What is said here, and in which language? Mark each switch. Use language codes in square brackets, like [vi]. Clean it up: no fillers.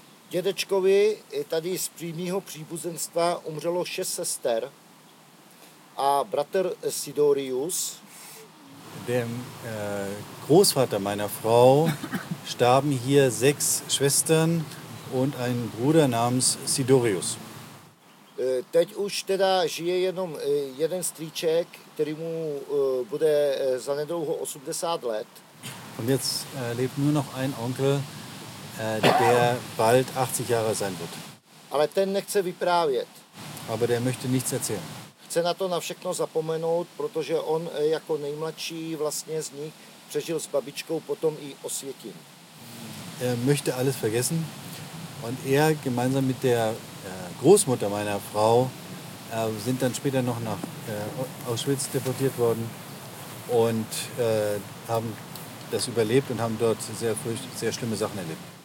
[cs] Dědečkovi tady z přímého příbuzenstva umřelo 6 sester a bratr Sidorius. [de] Dem Großvater meiner Frau starben hier 6 Schwestern und ein Bruder namens Sidorius. [cs] Teď už teda žije jenom jeden strýček, který mu bude zanedlouho 80 let. [de] Und jetzt lebt nur noch ein Onkel, der bald 80 Jahre sein wird. [cs] Ale ten nechce vyprávět. [de] Aber der möchte nichts erzählen. [cs] Chce na to na všechno zapomenout, protože on jako nejmladší vlastně z nich přežil s babičkou, potom i Osvětim. [de] Er möchte alles vergessen und er gemeinsam mit der Großmutter meiner Frau sind dann später noch nach Auschwitz deportiert worden und haben das überlebt und haben dort sehr, sehr schlimme Sachen erlebt.